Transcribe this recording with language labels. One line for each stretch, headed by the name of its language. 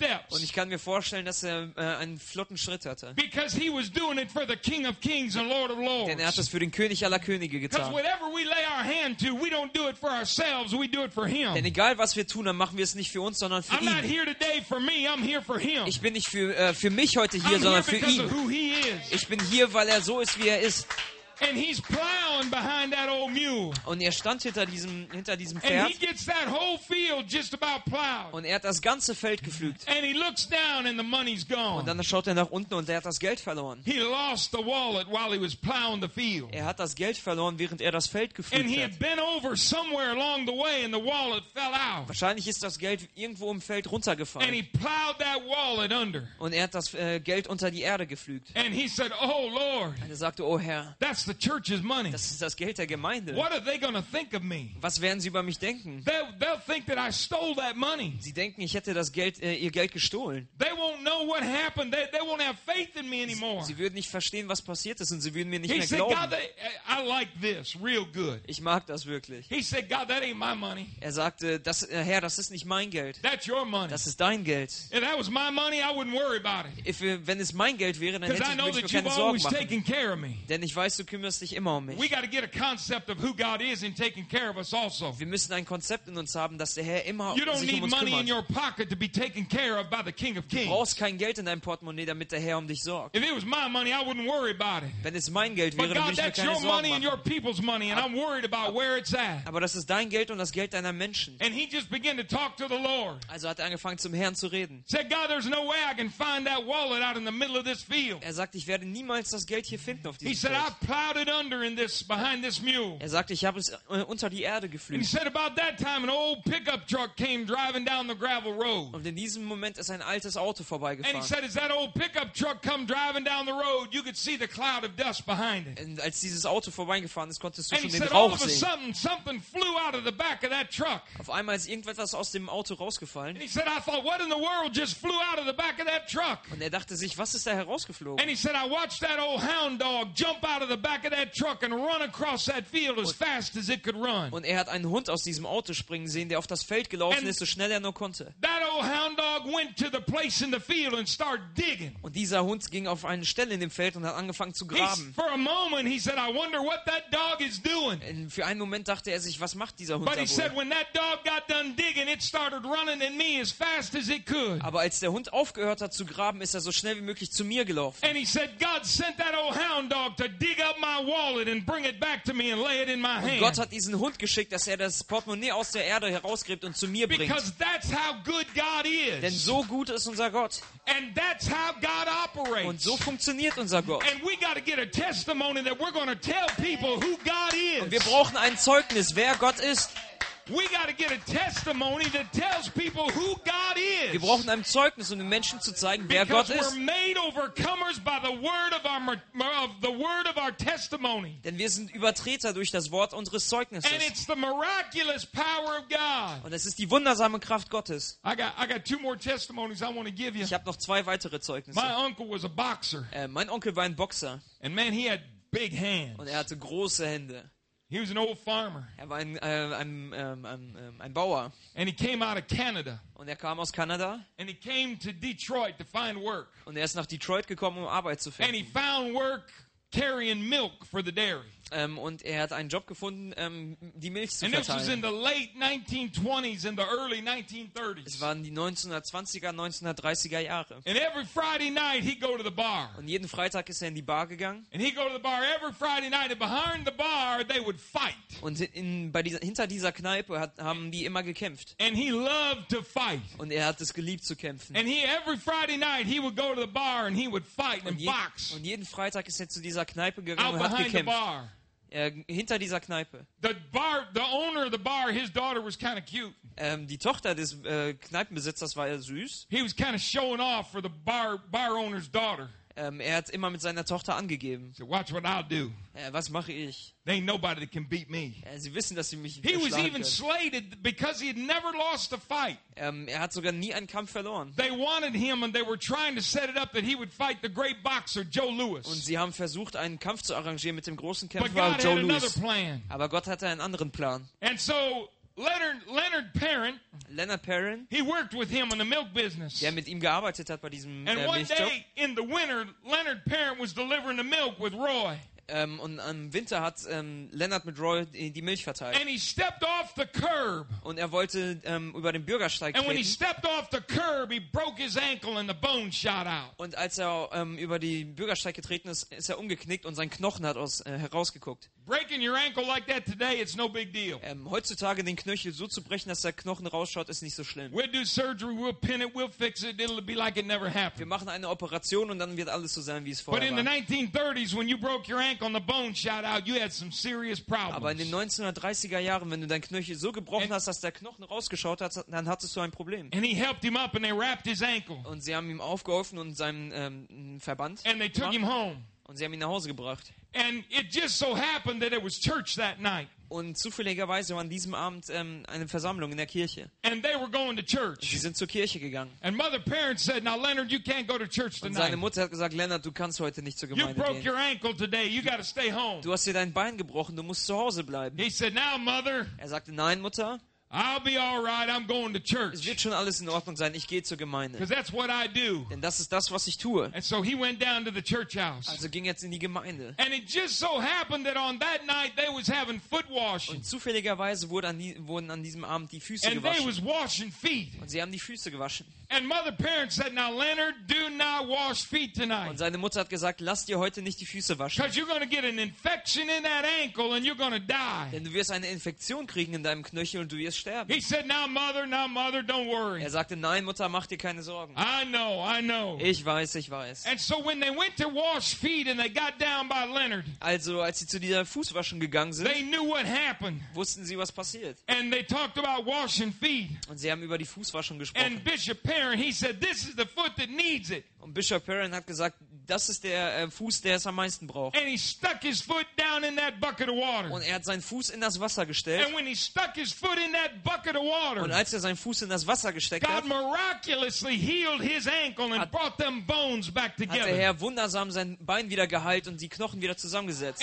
German: Und ich kann mir vorstellen, dass er einen flotten Schritt hatte. Denn er hat es für den König aller Könige getan. Denn egal, was wir tun, dann machen wir es nicht für uns, sondern für ihn. Ich bin nicht für mich heute hier, sondern für ihn. Ich bin hier, weil er so ist, wie er ist.
English: And he's plowing behind that old mule.
German: Und er stand hinter diesem Pferd.
English: And he gets that whole field just about plowed.
German: Und er hat das ganze Feld gepflügt.
English: And he looks down and the money's gone.
German: Und dann schaut er nach unten und er hat das Geld verloren.
English: He lost the wallet while he was plowing the field.
German: Er hat das Geld verloren, während er das Feld gepflügt hat.
English: And he had been over somewhere along the way and the wallet fell out.
German: Wahrscheinlich ist das Geld irgendwo im Feld runtergefallen.
English: And he plowed that wallet under.
German: Und er hat das Geld unter die Erde gepflügt.
English: And he said, "Oh Lord."
German: Und er sagte, "Oh Herr."
English: That's the church's money.
German: Das ist das Geld der Gemeinde.
English: What are they gonna think of me?
German: Was werden sie über mich denken?
English: They'll think that I stole that money.
German: Sie denken, ich hätte das Geld, ihr Geld gestohlen.
English: They won't know what happened. They won't have faith in me anymore.
German: Sie würden nicht verstehen, was passiert ist, und sie würden mir nicht mehr glauben.
English: He said, God, I like this real good.
German: Ich mag das wirklich.
English: He said, God, that ain't my money.
German: Er sagte, das, Herr, das ist nicht mein Geld.
English: That's your money.
German: Das ist dein Geld.
English: If that was my money, I wouldn't worry about it. If,
German: wenn es mein Geld wäre, dann hätte ich mich keine Sorgen machen.
English: Because I know that you've always taken care of me.
German: Denn ich weiß, du kümmerst dich immer um mich.
English: We got to get a concept of who God is in taking care of us also.
German: Wir müssen ein Konzept in uns haben, dass der Herr immer sich um uns kümmert.
English: Money in your pocket to be taken care of by the King of Kings.
German: Du brauchst kein Geld in deinem Portemonnaie, damit der Herr um dich sorgt.
English: If it was my money, I wouldn't worry about it.
German: Wenn es mein Geld wäre, würde ich mir keine Sorgen machen.
English: Your money and your people's money, and I'm worried about where it's at.
German: Aber das ist dein Geld und das Geld deiner Menschen.
English: And he just began to talk to the Lord.
German: Also hat er angefangen, zum Herrn zu reden.
English: Said, God, there's no way I can find that wallet out in the middle of this field.
German: Er sagt, ich werde niemals das Geld hier finden auf diesem Feld.
English: He said, I plowed it under in this behind this mule.
German: Er sagt, ich habe es unter die Erde geflügt.
English: He said, about that time, an old pickup truck came driving down the gravel road.
German: Und in diesem Moment ist ein altes Auto vorbeigefahren.
English: And he said, as that old pickup truck come driving down the road, you could see the cloud of dust behind it.
German: Und als dieses Auto vorbeigefahren ist, konntest du schon
English: and
German: den
English: said,
German: Rauch sehen.
English: And he said, all of a sudden, something flew out of the back of that truck.
German: Auf einmal ist irgendetwas aus dem Auto rausgefallen.
English: And he said, I thought, what in the world just flew out of the back of that truck?
German: Und er dachte sich, was ist da herausgeflogen?
English: And he said, I watched that old hound dog jump out of the back of that truck and run across that field as fast as it could run.
German: Und er hat einen Hund aus diesem Auto springen sehen, der auf das Feld gelaufen ist, so schnell er nur konnte.
English: That old hound dog went to the place in the field and started digging.
German: Und dieser Hund ging auf eine Stelle in dem Feld und hat angefangen zu graben.
English: For a moment he said, I wonder what that dog is doing.
German: Und für einen Moment dachte er sich, was macht dieser Hund da wohl?
English: But he said, when that dog got done digging, it started running at me as fast as it could.
German: Aber als der Hund aufgehört hat zu graben, ist er so schnell wie möglich zu mir gelaufen.
English: And he said, God sent that old hound dog to dig up my wallet and bring it back to me and lay it in my hand.
German: Und Gott hat diesen Hund geschickt, dass er das Portemonnaie aus der Erde herausgräbt und zu mir bringt.
English: Because that's how good God is.
German: Denn so gut ist unser Gott.
English: And that's how God operates.
German: Und so funktioniert unser Gott.
English: And we got to get a testimony that we're going to tell people who God is.
German: Und wir brauchen ein Zeugnis, wer Gott ist.
English: We got to get a testimony that tells people who God is.
German: Wir brauchen ein Zeugnis, um den Menschen zu zeigen, wer Gott ist.
English: We're made overcomers by the word of our testimony.
German: Denn wir sind Übertreter durch das Wort unseres Zeugnisses.
English: And it's the miraculous power of God.
German: Und es ist die wundersame Kraft Gottes.
English: I got two more testimonies I want to give you.
German: Ich habe noch zwei weitere Zeugnisse.
English: My uncle was a boxer.
German: Mein Onkel war ein Boxer.
English: And man, he had big hands.
German: Und er hatte große Hände.
English: He was an old farmer.
German: Er war ein Bauer.
English: And he came out of Canada.
German: Und er kam aus Kanada.
English: And he came to Detroit to find work.
German: Und er ist nach Detroit gekommen, um Arbeit zu finden.
English: And he found work carrying milk for the dairy.
German: Und er hat einen Job gefunden, die Milch zu verteilen.
English: And this was in the late 1920s and the early 1930s.
German: Es waren die 1920er, 1930er Jahre.
English: And every Friday night he'd go to the bar.
German: Und jeden Freitag ist er in die Bar gegangen.
English: And he'd go to the bar every Friday night, and behind the bar they would fight.
German: Und hinter dieser Kneipe haben die immer gekämpft.
English: And he loved to fight.
German: Und er hat es geliebt zu kämpfen.
English: And every Friday night he would go to the bar and he would fight and box.
German: Und jeden Freitag ist er zu dieser Kneipe gegangen und hat gekämpft. Hinter dieser Kneipe.
English: The owner of the bar, his daughter was kind of cute.
German: Die Tochter des Kneipenbesitzers war ja süß.
English: He was kind of showing off for the bar owner's daughter.
German: Er hat immer mit seiner Tochter angegeben.
English: So watch what I'll do.
German: Was mache ich?
English: There ain't nobody that can beat me.
German: Sie wissen, dass sie mich
English: he was even slated because he had never lost a fight.
German: Er hat sogar nie einen Kampf verloren.
English: They wanted him and they were trying to set it up that he would fight the great boxer Joe Louis.
German: Und sie haben versucht, einen Kampf zu arrangieren mit dem großen Kämpfer Joe Louis. Aber Gott hatte einen anderen Plan.
English: And so Leonard Perrin, he worked with him in the milk business.
German: Der mit ihm gearbeitet hat bei diesem
English: and one
German: Milchjob.
English: Day in the winter, Leonard Perrin was delivering the milk with Roy.
German: Und im Winter hat Leonard mit Roy die Milch verteilt.
English: And he stepped off the curb.
German: Und er wollte über den Bürgersteig treten.
English: And when he stepped off the curb, he broke his ankle and the bone shot out.
German: Und als er über den Bürgersteig getreten ist, ist er umgeknickt und sein Knochen hat herausgeguckt.
English: Breaking your ankle like that today, it's no big deal.
German: Heutzutage den Knöchel so zu brechen, dass der Knochen rausschaut, ist nicht so schlimm.
English: We'll do surgery, we'll pin it, we'll fix it, it'll be like it never happened.
German: Wir machen eine Operation und dann wird alles so sein, wie es vorher war.
English: But in the 1930s, when you broke your ankle and the bone shot out, you had some serious problems.
German: Aber in den 1930er Jahren, wenn du dein Knöchel so gebrochen hast, dass der Knochen rausgeschaut hat, dann hattest du ein Problem.
English: And he helped him up and they wrapped his ankle.
German: Und sie haben ihm aufgeholfen und seinen Verband.
English: And they took him home.
German: Und sie haben ihn nach Hause gebracht.
English: And it just so happened that it was church that night.
German: Und zufälligerweise war an diesem Abend eine Versammlung in der Kirche.
English: And they were going to church.
German: Sie sind zur Kirche gegangen.
English: And mother parents said, "Now Leonard, you can't go to church tonight."
German: Und seine Mutter hat gesagt, Leonard, du kannst heute nicht zur Gemeinde gehen.
English: You broke your ankle today. You got to stay home.
German: Du hast dir dein Bein gebrochen. Du musst zu Hause bleiben.
English: He said, "Now, mother."
German: Er sagte, nein, Mutter.
English: I'll be all right. I'm going to church.
German: Es wird schon alles in Ordnung sein. Ich gehe zur Gemeinde.
English: Because that's what I do.
German: Denn das ist das, was ich tue.
English: And so he went down to the church house.
German: Also ging jetzt in die Gemeinde.
English: And it just so happened that on that night they was having foot washing.
German: Und zufälligerweise wurden an diesem Abend die Füße
English: and
German: gewaschen.
English: And they was washing feet.
German: Und sie haben die Füße gewaschen.
English: And mother parents said, "Now Leonard, do not wash feet tonight."
German: Und seine Mutter hat gesagt, lass dir heute nicht die Füße waschen.
English: Because you're going to get an infection in that ankle and you're going to die.
German: Denn du wirst eine Infektion kriegen in deinem Knöchel und du wirst
English: He said, now mother, don't worry.
German: Er sagte, nein, Mutter, mach dir keine Sorgen.
English: I know.
German: Ich weiß, ich weiß.
English: And so when they went to wash feet and they got down by Leonard,
German: also als sie zu dieser Fußwaschung gegangen sind,
English: they knew what happened.
German: Wussten sie, was passiert.
English: And they talked about washing feet.
German: Und sie haben über die Fußwaschung gesprochen.
English: And Bishop Perrin, he said, this is the foot that needs it.
German: Und Bishop Perrin hat gesagt, das ist der Fuß, der es am meisten braucht.
English: And he stuck his foot down in that bucket of water.
German: Und er hat seinen Fuß in das Wasser gestellt.
English: And when he stuck his foot in that bucket of water.
German: Und als er seinen Fuß in das Wasser gesteckt
English: God
German: hat,
English: miraculously healed his ankle and brought them bones back together.
German: Hat der Herr wundersam sein Bein wieder geheilt und die Knochen wieder zusammengesetzt.